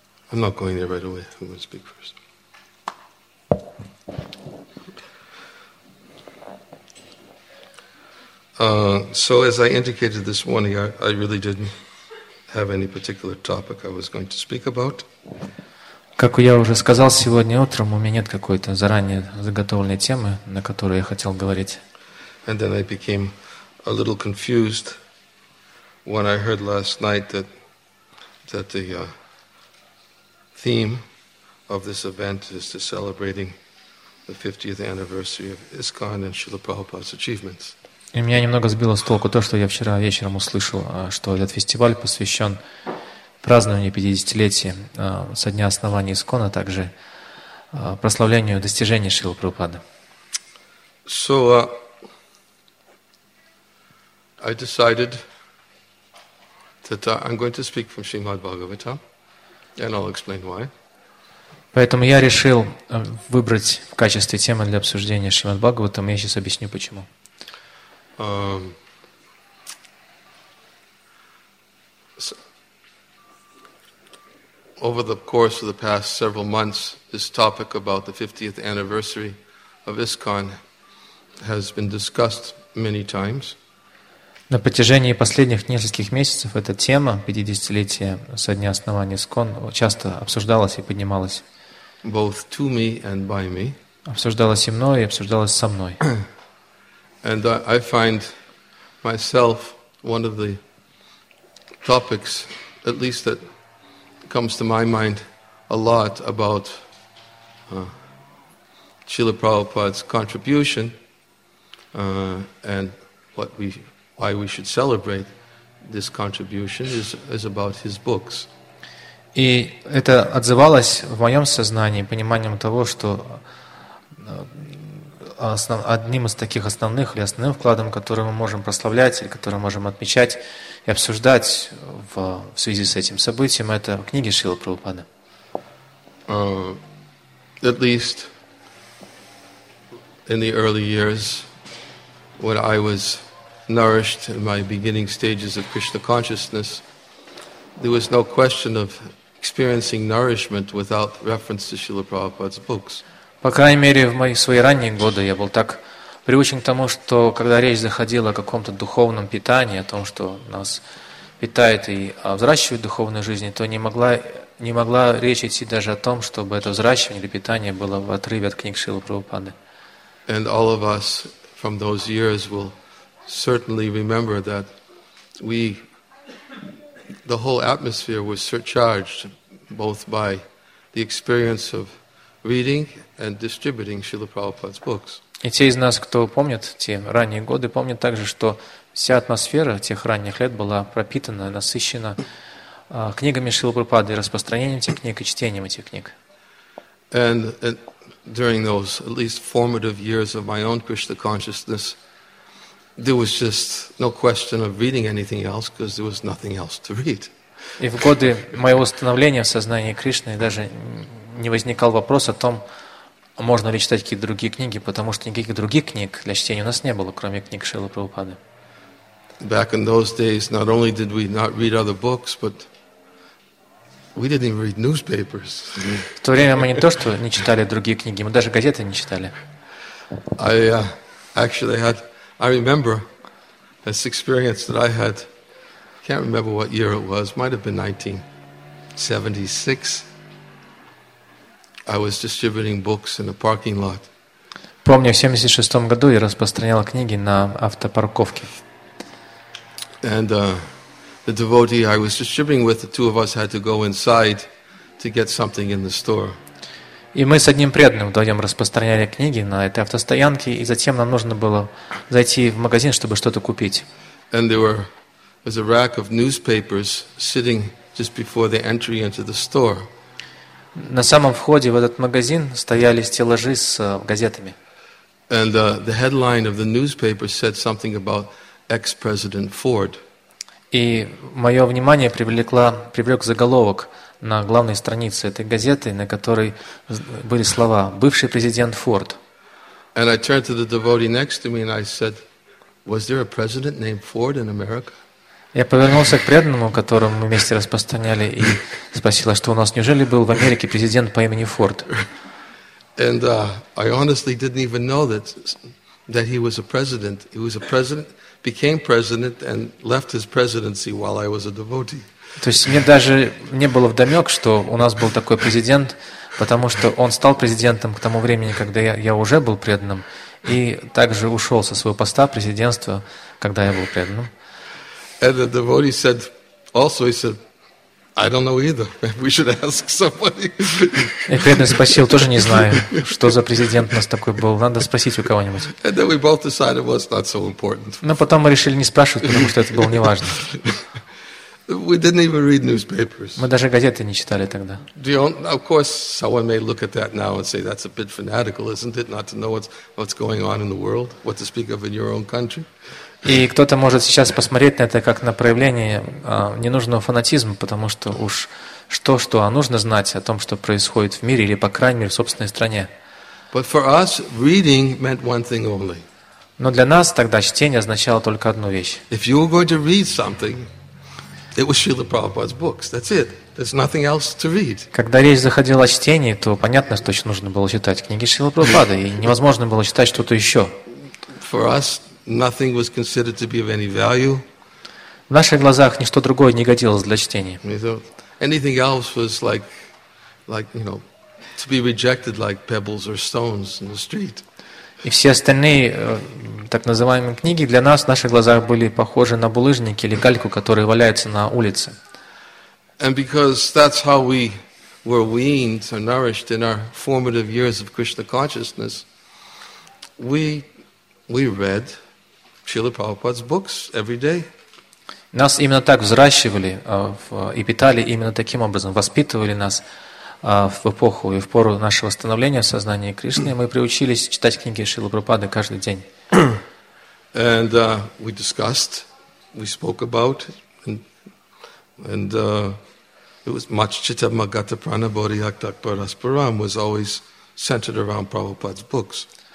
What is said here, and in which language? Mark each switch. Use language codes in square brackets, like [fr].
[en] I'm not going there right away. I'm going to speak first. So as I indicated this morning, I really didn't have any particular topic I was going to speak about. [ru] Как я уже сказал сегодня утром, у меня нет какой-то заранее заготовленной темы, на которую я хотел говорить. [en] And then I became a little confused when I heard last night that the theme of this event is to celebrating the 50th anniversary of ISKCON and Srila Prabhupada's achievements. [ru] И меня немного сбило с толку то, что я вчера вечером услышал, что этот фестиваль посвящен празднованию 50-летия со дня основания ИСККОНа, а также прославлению достижений Шрилы Прабхупады. [en] So I decided that I'm going to speak from Srimad Bhagavatam, and I'll explain why. [ru] Поэтому я решил выбрать в качестве темы для обсуждения Шримад Бхагаватам, и я сейчас объясню почему. [en] Over the course of the past several months, this topic about the 50th anniversary of ISKCON has been discussed many times. [ru] На протяжении последних нескольких месяцев эта тема 50-летия со дня основания ИСККОН часто обсуждалась и поднималась. [en] Both to me and by me. [ru] Обсуждалась и мной, и обсуждалась со мной. [en] And I find myself one of the topics, at least that comes to my mind a lot about Srila Prabhupada's contribution and why we should celebrate this contribution is about his books. [ru] И это отзывалось в моем сознании пониманием того, что одним из таких основных или основным вкладом, который мы можем прославлять или который мы можем отмечать и обсуждать в связи с этим событием, это книги Шрилы Прабхупады. [en] At least in the early years when I was nourished in my beginning stages of Krishna consciousness, there was no question of experiencing nourishment without reference to Srila Prabhupada's books. [ru] По крайней мере, в мои свои ранние годы я был так привычен к тому, что когда речь заходила о каком-то духовном питании, о том, что нас питает и взращивает духовную жизнь, то не могла речь идти даже о том, чтобы это взращивание или питание было в отрыве от книг Шрилы Прабхупады. [en] And all of us from those years will certainly remember that the whole atmosphere was surcharged both by the experience of reading and distributing Srila Prabhupada's books. [ru] И те из нас, кто помнит те ранние годы, помнят также, что вся атмосфера тех ранних лет была пропитана, насыщена книгами Шрилы Прабхупады, распространением этих книг и чтением этих книг. [en] And during those at least formative years of my own Krishna consciousness, there was just no question of reading anything else because there was nothing else to read. [ru] И в годы моего становления в сознании Кришны даже не возникал вопрос о том, можно ли читать какие-то другие книги, потому что никаких других книг для чтения у нас не было, кроме книг Шрилы Прабхупады. [en] Back in those days, not only did we not read other books, but we didn't even read newspapers. [ru] В то время мы не то что не читали другие книги, мы даже газеты не читали. [en] I remember this experience that I had. I can't remember what year it was. Might have been 1976. I was distributing books in a parking lot. [ru] Помню, в 76 году я распространял книги на автопарковке. [en] And the devotee I was distributing with, the two of us had to go inside to get something in the store. [ru] И мы с одним преданным вдвоем распространяли книги на этой автостоянке, и затем нам нужно было зайти в магазин, чтобы что-то купить. [en] And there was a rack of newspapers sitting just before the entry into the store. [ru] На самом входе в этот магазин стояли стеллажи с газетами. [en] And the headline of the newspaper said something about ex-president Ford. [ru] И мое внимание привлек заголовок на главной странице этой газеты, на которой были слова «бывший президент Форд». [en] And I turned to the devotee next to me and I said, "Was there a president named Ford in America?" [ru] Я повернулся к преданному, которому мы вместе распространяли, и спросил, что у нас неужели был в Америке президент по имени Форд? [en] And I honestly didn't even know that he was a president. He was a president, became president, and left his presidency while I was a devotee. [ru] То есть мне даже не было вдомек, что у нас был такой президент, потому что он стал президентом к тому времени, когда я уже был преданным, и также ушел со своего поста президентства, когда я был преданным. [en] And the devotee said, also he said, "I don't know either. We should ask somebody." [ru] И преданный спросил, тоже не знаю, что за президент у нас такой был. Надо спросить у кого-нибудь. [en] And then we both decided it was not so important. [ru] Но потом мы решили не спрашивать, потому что это было неважно. [en] We didn't even read newspapers. [ru] Мы даже газеты не читали тогда. [en] Of course, someone may look at that now and say that's a bit fanatical, isn't it, not to know what's going on in the world, what to speak of in your own country. [ru] И кто-то может сейчас посмотреть на это как на проявление ненужного фанатизма, потому что уж что-что, а нужно знать о том, что происходит в мире или, по крайней мере, в собственной стране. [en] But for us, reading meant one thing only. [ru] Но для нас тогда чтение означало только одну вещь. [en] If you were going to read something, it was Srila Prabhupada's books. That's it. There's nothing else to read. [ru] Когда речь заходила о чтении, то понятно, что нужно было читать книги Шрилы Прабхупады, и невозможно было читать что-то еще. [en] For us, nothing was considered to be of any value. [ru] В наших глазах ничто другое не годилось для чтения. [en] Anything else was like, you know, to be rejected like pebbles or stones in the street. [ru] И все остальные так называемые книги для нас в наших глазах были похожи на булыжники или гальку, которые валяются на улице. [en] And because that's how we were weaned or nourished in our formative years of Krishna consciousness, we read Srila Prabhupada's books every day. [ru] Нас именно так взращивали и питали именно таким образом, воспитывали нас в эпоху и в пору нашего становления в сознании Кришны. Мы приучились читать книги Шрилы Прабхупады каждый день. [en] And we discussed, we spoke about, and it was much [sa] chitta magata prana bodhi aktak parasparam [en] was always centered around Prabhupada's books.